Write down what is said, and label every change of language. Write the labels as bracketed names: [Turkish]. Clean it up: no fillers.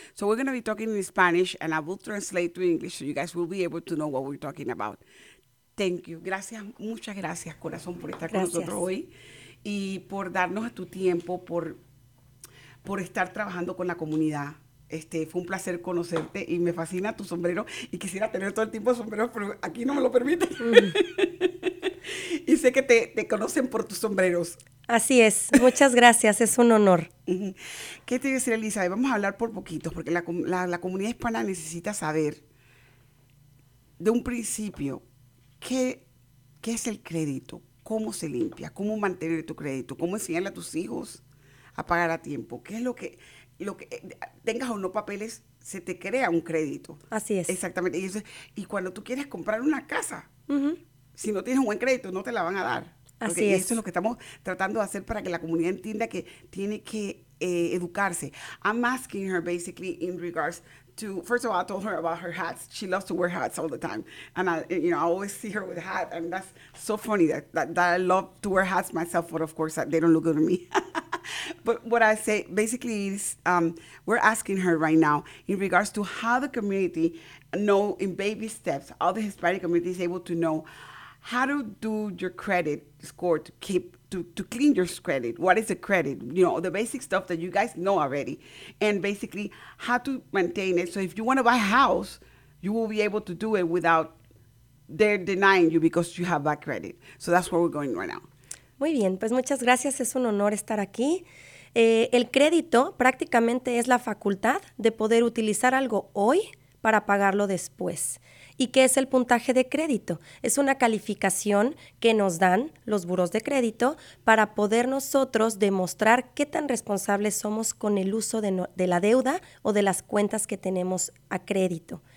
[English] So we're going to be talking in Spanish, and I will translate to English so you guys will be able to know what we're talking about. Thank you. [Spanish] Gracias, muchas gracias, corazón, por estar gracias. Con nosotros hoy. Y por darnos tu tiempo, por estar trabajando con la comunidad. Fue un placer conocerte y me fascina tu sombrero. Y quisiera tener todo el tiempo sombreros, pero aquí no me lo permiten. Y sé que te conocen por tus sombreros. Así es. Muchas gracias. Es un honor. ¿Qué te iba a decir, Elizabeth? Vamos a hablar por poquitos, porque la comunidad hispana necesita saber, de un principio, ¿qué es el crédito? ¿Cómo se limpia? ¿Cómo mantener tu crédito? ¿Cómo enseñarle a tus hijos a pagar a tiempo? ¿Qué es lo que tengas o no papeles, se te crea un crédito? Así es. Exactamente. Y cuando tú quieres comprar una casa, si no tienes un buen crédito, no te la van a dar. Así es. Y eso es lo que estamos tratando de hacer para que la comunidad entienda que tiene que educarse. [English] I'm asking her basically in regards to, first of all, I told her about her hats. She loves to wear hats all the time. And I always see her with a hat. And that's so funny that I love to wear hats myself, but of course, they don't look good on me. But what I say basically is, we're asking her right now in regards to how the community know in baby steps, how the Hispanic community is able to know how to do your credit score to clean your credit. What is a credit? You know, the basic stuff that you guys know already. And basically, how to maintain it. So if you want to buy a house, you will be able to do it without their denying you because you have bad credit. So that's where we're going right now. [Spanish] Muy bien. Pues muchas gracias. Es un honor estar aquí. El crédito prácticamente es la facultad de poder utilizar algo hoy para pagarlo después. ¿Y qué es el puntaje de crédito? Es una calificación que nos dan los buros de crédito para poder nosotros demostrar qué tan responsables somos con el uso de la deuda o de las cuentas que tenemos a crédito.